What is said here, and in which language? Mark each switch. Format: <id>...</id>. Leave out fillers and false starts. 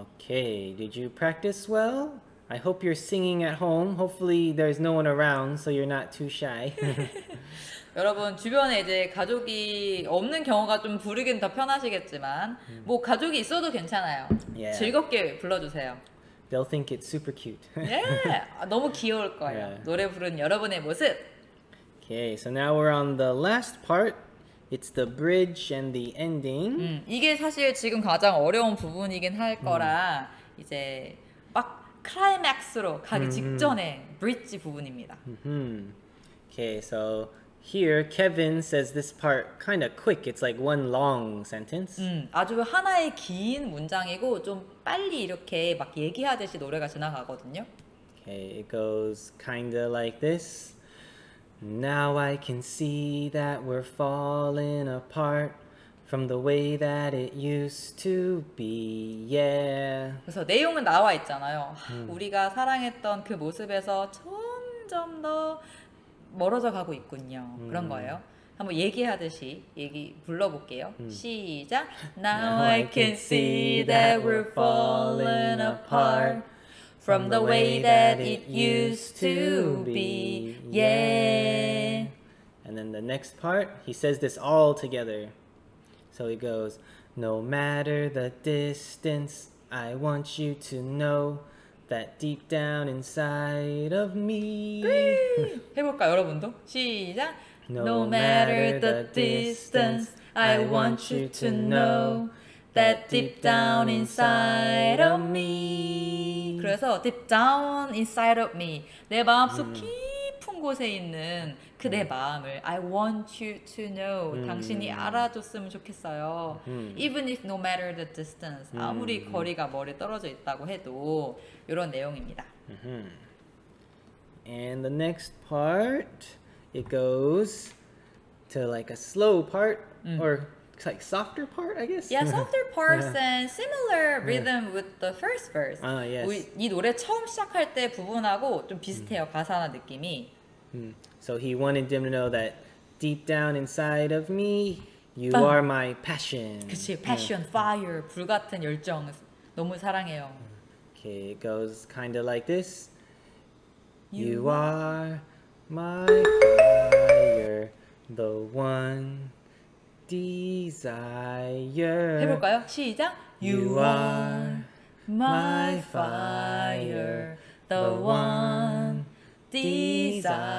<en>Did you practice well? I hope you're singing at home. Hopefully there's no one around so you're not too shy.</en> <ko>여러분 주변에 이제 가족이 없는 경우가 좀 부르긴 더 편하시겠지만 뭐 가족이 있어도 괜찮아요.</ko> <en>Yeah.</en> <ko>즐겁게 불러주세요.</ko> <en>They'll think it's super cute.</en> <ko>예, yeah, 너무 귀여울 거예요.</ko> <en>Yeah.</en> <ko>노래 부른 여러분의 모습.</ko> <en>Okay, so now we're on the last part. It's the bridge and the ending.</en> <ko>이게 사실 지금 가장 어려운 부분이긴 할 거라 이제 막 클라이맥스로 가기 직전에 브릿지 부분입니다.</ko> <en>Okay, so here Kevin says this part kind of quick. It's like one long sentence.</en> <ko>아주 하나의 긴 문장이고 좀 빨리 이렇게 막 얘기하듯이 노래가 지나가거든요.</ko> <en>Okay, it goes kind of like this. Now I can see that we're falling apart from the way that it used to be, yeah.</en> <ko>그래서 내용은 나와 있잖아요. 우리가 사랑했던 그 모습에서 점점 더 멀어져 가고 있군요. 그런 거예요. 한번 얘기하듯이 얘기 불러볼게요. 시작!</ko> <en>Now I can see that we're falling apart from the way that it used to be, yeah. And then the next part, he says this all together. So he goes, no matter the distance, I want you to know that deep down inside of me.</en> <ko>해볼까요, 여러분도? 시작!</ko> <en>No matter the distance, I want you to know that deep down inside of me.</en> <ko>그래서</ko> <en>deep down inside of me,</en> <ko>내 마음속 깊은 곳에 있는 그 내 마음을</ko> <en>I want you to know</en> <ko>당신이 알아줬으면 좋겠어요.</ko> <en>Even if no matter the distance</en> <ko>아무리 거리가 멀리 떨어져 있다고 해도 이런 내용입니다.</ko> <en>And the next part it goes to like a slow part or like softer part, I guess. Yeah, softer parts and similar rhythm with the first verse. Ah, yes.</en> <ko>이 노래 처음 시작할 때 부분하고 좀 비슷해요 가사나 느낌이.</ko> <en>So he wanted them to know that deep down inside of me, you are my passion.</en> <ko>그치, passion, fire, 불 같은 열정, 너무 사랑해요.</ko> <en>Okay, it goes kind of like this. You are my fire, the one desire.</en> <ko>해볼까요? 시작!</ko> <en>You are my fire, the one desire.</en>